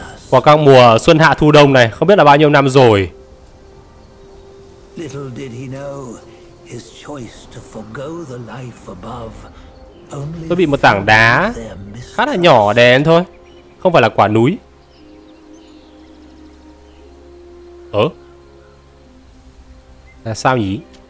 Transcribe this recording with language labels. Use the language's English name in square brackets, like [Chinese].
[Vietnamese] Qua các mùa xuân hạ thu đông này, không biết là bao nhiêu năm rồi. [English] Little did he know his choice to forgo the life above. [Vietnamese] Tôi bị một tảng đá khá là nhỏ đè lên thôi. Không phải là quả núi. Ơ? Là sao nhỉ?